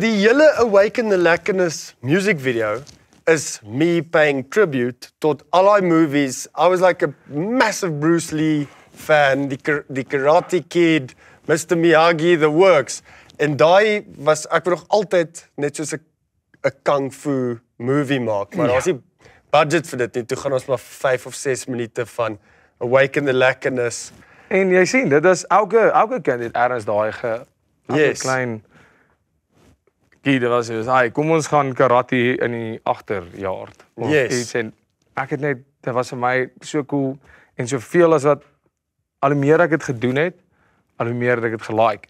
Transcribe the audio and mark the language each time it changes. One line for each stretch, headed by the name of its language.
Afrikaans: Die hele
English: Awaken the Lekkernis music video is me paying tribute
Afrikaans: tot al die
English: movies. I was like a massive Bruce Lee fan, die Karate Kid, Mr. Miyagi, The Works.
Afrikaans: En daai was, ek wil nog altyd net soos 'n kung fu movie maak. Maar daar was nie budget vir dit nie. Toe gaan ons maar 5 of 6 minute van Awaken the Lekkernis. En jy sien, dit is elke kind het ergens daai klein... Kiede was soos, hey, kom ons gaan karate in die achterjaard. Of yes. Iets. En ek het net, dit was vir my so cool. En soveel as wat, al hoe meer ek het gedoen het, al hoe meer ek het gelike.